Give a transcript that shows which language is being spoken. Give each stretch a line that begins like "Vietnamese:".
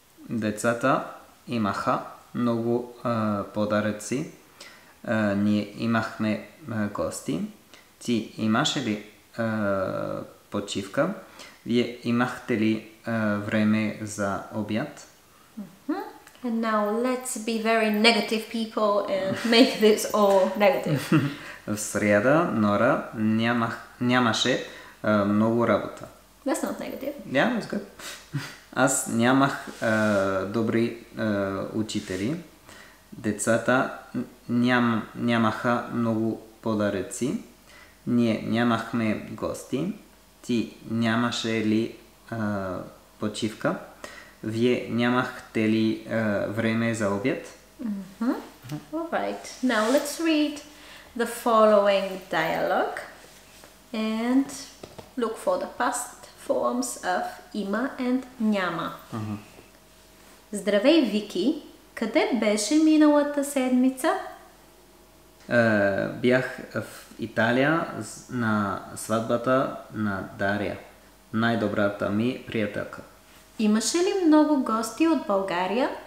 Bulgarian: Децата имаха много подаръци, ние имахме гости, ти имаше ли почивка, вие имахте ли време за обяд?
English: And now let's be very negative people and make this all negative.
Bulgarian: В сряда Нора нямаше много работа.
English: That's not negative. Yeah, that's good.
Bulgarian: Аз нямах добри учители, децата нямаха много подаръци, ние нямахме гости, ти нямаше ли почивка, вие нямахте ли време за обяд?
English: All right, now let's read the following dialogue and look for the past forms of има and няма.
Bulgarian: Здравей, Вики! Къде беше миналата седмица? Бях в Италия на сватбата на Дария, най-добрата ми приятелка. Имаше ли много гости от България?